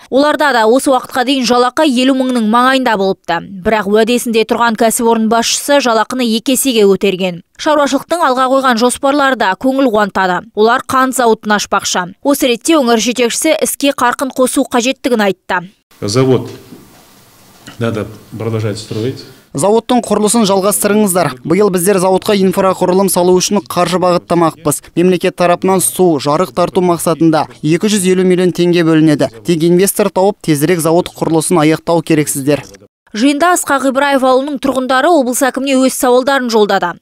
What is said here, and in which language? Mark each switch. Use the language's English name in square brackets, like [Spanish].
[Kazakh] Оларда да осы уақытқа дейін жалақы 50 мыңның маңайында болыпты. Бірақ уәдесінде тұрған кәсіпорын басшысы жалақыны 2 есеге көтерген. Шаруашылықтың алға қойған жоспарлары да көңіл қуантады. Олар қант зауытын ашпақшы. Осы ретте өңір жетекшісі іске қарқын қосу қажеттігін айтты. [Russian] Завод надо продолжать строить. [Kazakh] Зауыттың құрылысын жалғастырыңыздар. Биыл біздер зауытқа инфрақұрылым салу үшін қаржы бағыттамақпыз. Мемлекет тарапынан су, жарық тарту мақсатында 250 миллион теңге бөлінеді. Тек инвестор тауып, тезірек зауыт құрылысын аяқтау керексіздер. Жиында Ысқақ Ибраев ауылының тұрғындары облыс әкіміне өз сауалдарын жолдады.